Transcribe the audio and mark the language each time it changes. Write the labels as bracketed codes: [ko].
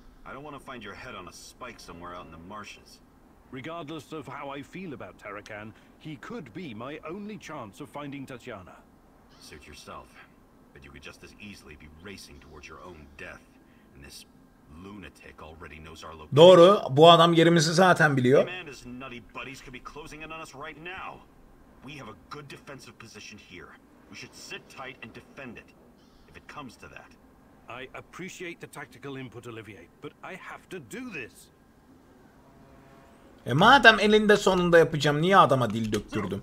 [en] I don't want to find your head on a spike somewhere out in the marshes. Regardless of how I feel about Tarakan, he could be my only chance of finding Tatiana. Suit yourself. But you could just as easily be racing towards your own death. And this lunatic already knows our location. [tr] Doğru, bu adam yerimizi zaten biliyor. [en] The man is nutty buddies could be closing in on us right now. We have a good defensive position here. We should sit tight and defend it. If it comes to that. I appreciate the tactical input, Olivier, but I have to do this. [tr] Madem elinde sonunda yapacağım, niye adama dil döktürdüm?